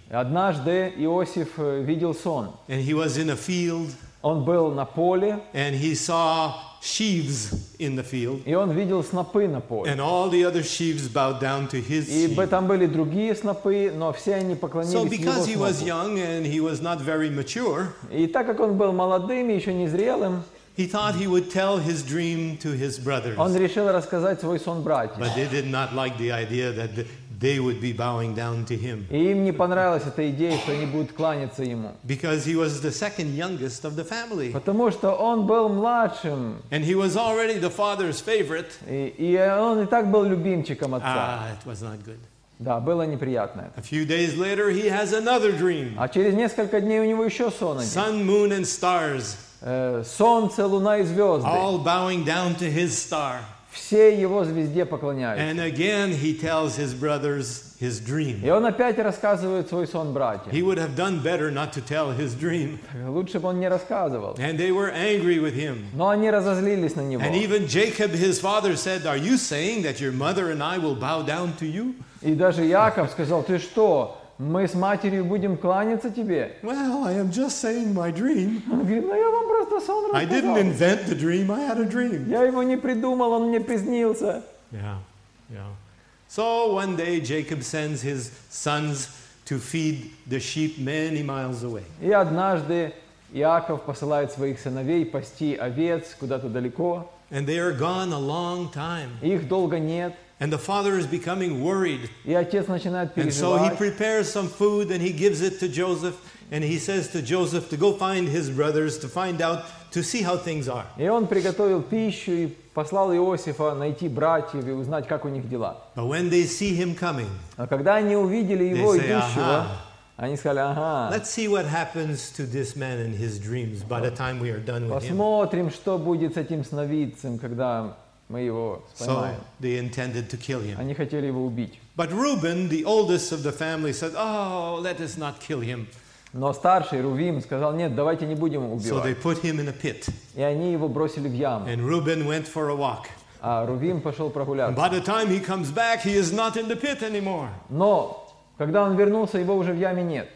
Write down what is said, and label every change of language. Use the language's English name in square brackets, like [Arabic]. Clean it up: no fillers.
[Russian] Однажды Иосиф видел сон. [English] And he was in a field. [Russian] Он был на поле. [English] And he saw sheaves in the field. [Russian] И он видел снопы на поле. [English] And all the other sheaves bowed down to his [Russian] sheaf. И там были другие снопы, но все они поклонились его [English] снопу. So because he was young and he was not very mature. [Russian] И так как он был молодым и еще незрелым, [English] he thought he would tell his dream to his brothers. [Russian] Он решил рассказать свой сон братьям. [English] But they did not like the idea that they would be bowing down to him. [Russian] И им не понравилась эта идея, что они будут кланяться ему. [English] Because he was the second youngest of the family. [Russian] Потому что он был младшим. [English] And he was already the father's favorite. [Russian] И он и так был любимчиком отца. [English] It was not good. [Russian] Да, было неприятно. [English] A few days later, he has another dream. [Russian] А через несколько дней у него еще сон один. [English] Sun, moon, and stars. [Russian] Солнце, луна и звезды. [English] All bowing down to his star. [Russian] Все его звезде поклоняются. [English] And again he tells his brothers his dream. [Russian] И он опять рассказывает свой сон братьям. [English] He would have done better not to tell his dream. [Russian] Лучше бы он не рассказывал. [English] And they were angry with him. [Russian] Но они разозлились на него. [English] And even Jacob, his father, said, "Are you saying that your mother and I will bow down to you?" [Russian] И даже Яков сказал: "Ты что? Мы с матерью будем кланяться тебе?" [English] Well, I am just saying my dream. [Russian] Он говорит: "Ну, я вам просто сон рассказал." [English] I didn't invent the dream, I had a dream. [Russian] Я его не придумал, он мне приснился. Yeah. [English] So one day Jacob sends his sons to feed the sheep many miles away. [Russian] И однажды Иаков посылает своих сыновей пасти овец куда-то далеко. [English] And they are gone a long time. [Russian] Их долго нет. [English] And the father is becoming worried. [Russian] И отец начинает переживать. [English] And so he prepares some food and he gives it to Joseph. And he says to Joseph to go find his brothers, to find out, to see how things are. [Russian] И он приготовил пищу и послал Иосифа найти братьев и узнать, как у них дела. [English] But when they see him coming, [Russian] а когда они увидели его [English] they say, [Russian] идущего, ага. Они сказали: "Ага." [English] Let's see what happens to this man and his dreams by the time we are done with [Russian] посмотрим, [English] him. [Russian] Посмотрим, что будет с этим сновидцем, когда мы его поймаем. [English] So they intended to kill him. [Russian] Они хотели его убить. [English] But Reuben, the oldest of the family, said, "Oh, let us not kill him." [Russian] Но старший Рувим сказал: "Нет, давайте не будем убивать." [English] So they put him in a pit. [Russian] И они его бросили в яму. [English] And Reuben went for a walk. [Russian] А Рувим пошел прогуляться. [English] And by the time he comes back, he is not in the pit anymore. [Russian] Но когда он вернулся, его уже в яме нет.